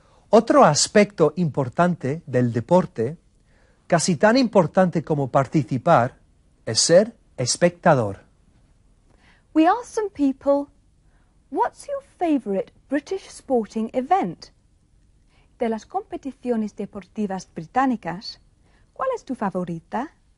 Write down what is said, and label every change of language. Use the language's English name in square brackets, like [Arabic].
[Spanish] Otro aspecto importante del deporte, casi tan importante como participar, es ser espectador. [English] We asked some people, what's your favourite British sporting event? [Spanish] De las competiciones deportivas británicas, ¿cuál es tu favorita?